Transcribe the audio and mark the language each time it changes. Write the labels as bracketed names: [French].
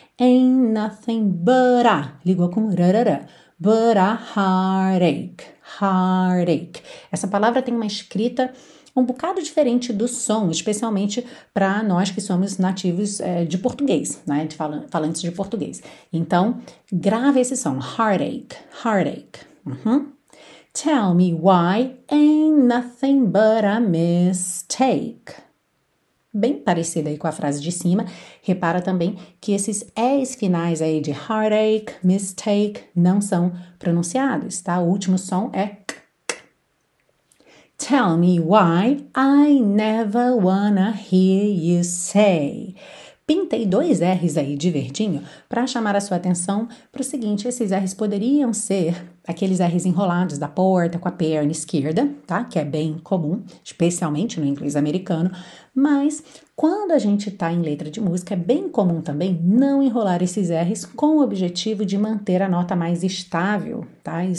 [English] Ain't nothing but a. Ligou com rarara. But a heartache. Heartache. [Portuguese] Essa palavra tem uma escrita um bocado diferente do som, especialmente para nós que somos nativos de português, né? De falantes de português. Então, grave esse som. Heartache. Heartache. [English] Tell me why ain't nothing but a mistake. [Portuguese] Bem parecida aí com a frase de cima. Repara também que esses S finais aí de heartache, mistake, não são pronunciados, tá? O último som é k, k. [English] Tell me why I never wanna hear you say. [Portuguese] Pintei dois R's aí de verdinho para chamar a sua atenção para o seguinte: esses R's poderiam ser aqueles R's enrolados da porta com a perna esquerda, tá? Que é bem comum, especialmente no inglês americano. Mas quando a gente está em letra de música, é bem comum também não enrolar esses R's com o objetivo de manter a nota mais estável, tá?